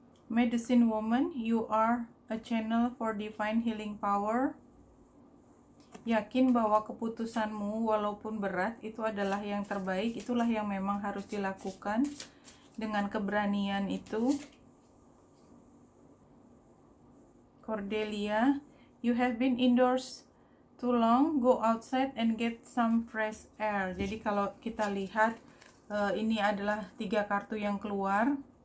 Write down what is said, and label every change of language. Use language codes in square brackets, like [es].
[en] Medicine woman, you are a channel for divine healing power. [id] Yakin bahwa keputusanmu walaupun berat itu adalah yang terbaik, itulah yang memang harus dilakukan dengan keberanian itu. [en] Cordelia, you have been indoors too long, go outside and get some fresh air. [id] Jadi kalau kita lihat ini adalah 3 kartu yang keluar.